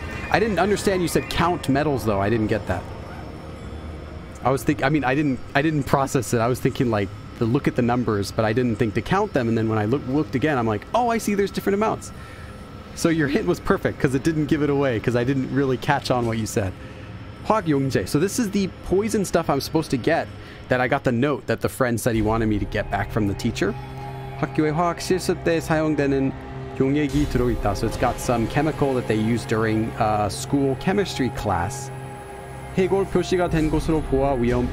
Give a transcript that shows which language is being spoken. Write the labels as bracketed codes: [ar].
[en] I didn't understand you said count medals, though. I didn't get that. I didn't process it. I was thinking, like, to look at the numbers, but I didn't think to count them, and then when I looked again, I'm like, oh, I see there's different amounts. So your hint was perfect, because it didn't give it away, because I didn't really catch on what you said. Hwak Yongjae. So this is the poison stuff I'm supposed to get that I got the note that the friend said he wanted me to get back from the teacher. [ko] 학교의 화학 실습 때 사용되는 용액이 들어있다. [en] So it's got some chemical that they use during school chemistry class. [ko] 해골 표시가 된 것으로 보아 위험.